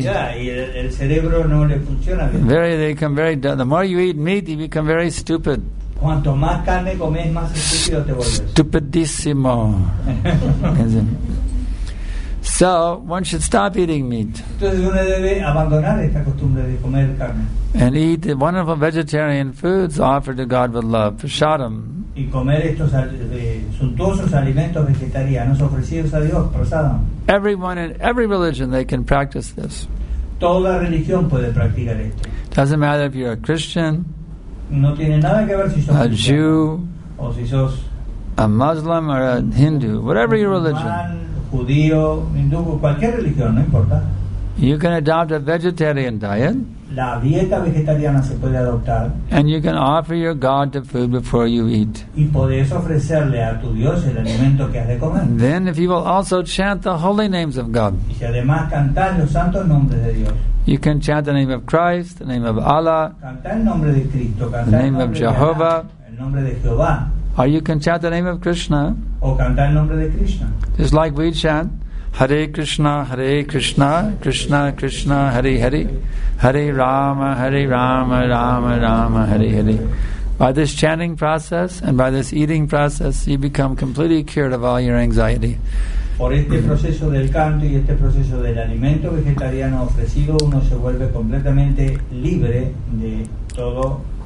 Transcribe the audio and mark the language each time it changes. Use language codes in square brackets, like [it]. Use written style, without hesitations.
[en] Yeah, [es] y el cerebro no le funciona bien. [en] Very, they become very dull. The more you eat meat, you become very stupid. [es] Cuanto más carne comes, más estúpido te vuelves. Stupidísimo. [en] So one should stop eating meat. [es] Entonces uno debe abandonar esta costumbre de comer carne. [en] And eat the wonderful vegetarian foods offered to God with love, prasadam. [es] Y comer estos suntuosos alimentos vegetarianos ofrecidos a Dios, prasadam. [en] Everyone in every religion, they can practice this. [es] Toda religión puede practicar esto. [en] Doesn't matter if you're a Christian. [es] No tiene nada que ver si sos [en] a Jew, [es] o si sos [en] a Muslim, or a Hindu, whatever your religion. [es] Judío, hindú, cualquier religión, no importa. [en] You can adopt a vegetarian diet. [es] La dieta vegetariana se puede adoptar. [en] And you can offer your God the food before you eat. [es] Y podés ofrecerle a tu Dios el alimento que has de comer. [en] And then, if you will also chant the holy names of God. [es] Y si además cantar los santos nombres de Dios. [en] You can chant the name of Christ, the name of Allah, [es] canta el nombre de Cristo, canta [en] the name of Jehovah, [es] el nombre de Jehová. [en] Or you can chant the name of Krishna. [es] O canta el nombre de Krishna. [en] Just like we chant, Hare Krishna, Hare Krishna, Krishna Krishna, Hare Hare, Hare Rama, Hare Rama, Rama Rama, Hare Hare. By this chanting process and by this eating process, you become completely cured of all your anxiety. [es] Por este proceso del canto y este proceso del alimento vegetariano ofrecido, uno se vuelve completamente libre de todo.